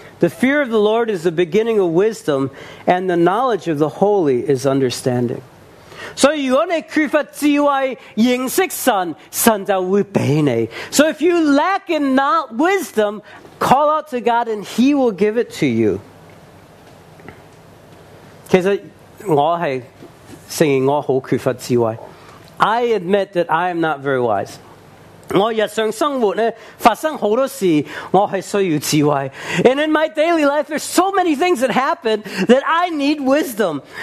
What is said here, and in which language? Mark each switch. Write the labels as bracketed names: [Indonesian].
[English] The fear of the Lord is the beginning of wisdom, and the knowledge of the holy is understanding. So if you lack in not wisdom, call out to God and He will give it to you. [Cantonese] 其实我是承认我很缺乏智慧。 [English] I admit that I am not very wise. [Cantonese] 我日常生活呢，发生好多事，我系需要智慧。 [English] And in my daily life, there's so many things that happen that I need wisdom.